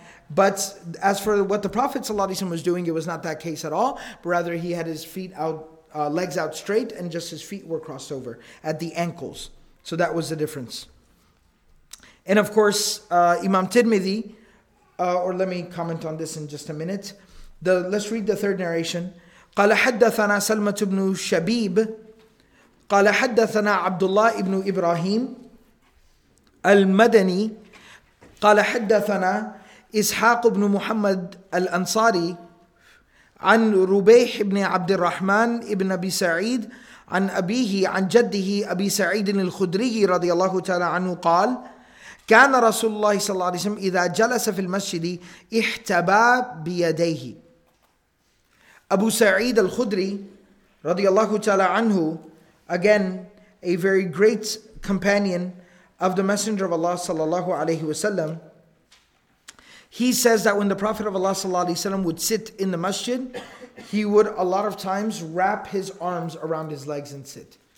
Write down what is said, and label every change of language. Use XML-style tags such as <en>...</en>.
<en>But as for what the Prophet was doing, it was not that case at all, but rather he had his feet out, legs out straight, and just his feet were crossed over at the ankles. So that was the difference. And of course, Imam Tirmidhi, or let me comment on this in just a minute. Let's read the third narration.</en> <ar>قَالَ حَدَّثَنَا سَلْمَةُ بْنُ شَبِيبُ قَالَ حَدَّثَنَا عَبْدُ اللَّهِ إِبْنُ إِبْرَاهِيمُ الْمَدَنِي قَالَ حَدَّثَنَا إِسْحَاقُ بْنُ مُحَمَّدُ الْأَنصَارِي عَنْ رُبَيْحِ بْنِ عَبْدِ الرَّحْمَنِ إِبْنَ أَبِي سَعِيدٍ عَنْ أَبِيهِ عَنْ جَدِّهِ أَبِي سَعِيدٍ الْخُدْرِيِّ رَضِيَ اللَّهُ تَعَالَى عَنْهُ قَالَ كان رسول الله صلى الله عليه وسلم إذا جلس في المسجد احتبى بيديه.</ar> <en>أبو سعيد الخدري</en> <ar>رضي الله تعالى عنه,</ar> <en>again, a very great companion of the Messenger of Allah</en> <ar>صلى الله عليه وسلم,</ar> <en>he says that when the Prophet of Allah صلى الله عليه وسلم would sit in the masjid, he would a lot of times wrap his arms around his legs and sit.</en>